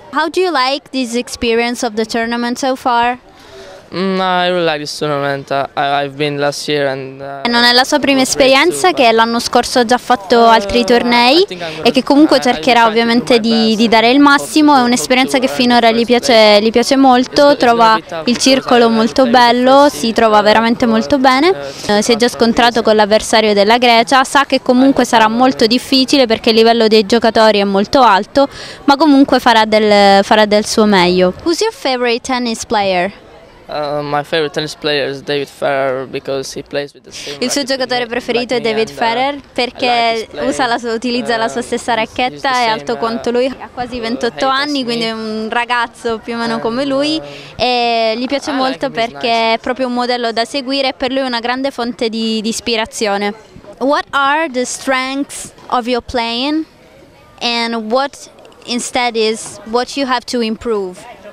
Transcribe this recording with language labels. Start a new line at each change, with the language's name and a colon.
English: How do you like this experience of the tournament so far? I really like this tournament. I've been last year and...
Italian: Non è la sua prima esperienza, che l'anno scorso ha già fatto altri tornei e che comunque cercherà ovviamente di dare il massimo. È un'esperienza che finora gli piace molto, trova il circolo molto bello, si trova veramente molto bene. Si è già scontrato con l'avversario della Grecia, sa che comunque sarà molto difficile perché il livello dei giocatori è molto alto, ma comunque farà del suo meglio.
English: Who's your favorite tennis player? My favorite tennis player is David Ferrer because he plays with the same.
Italian: Il suo giocatore preferito è David Ferrer perché utilizza la sua stessa racchetta, è alto quanto lui, ha quasi 28 anni, quindi è un ragazzo più o meno come lui, e gli piace molto perché è proprio un modello da seguire e per lui è una grande fonte di ispirazione.
English: What are the strengths of your playing and what instead is what you have to improve?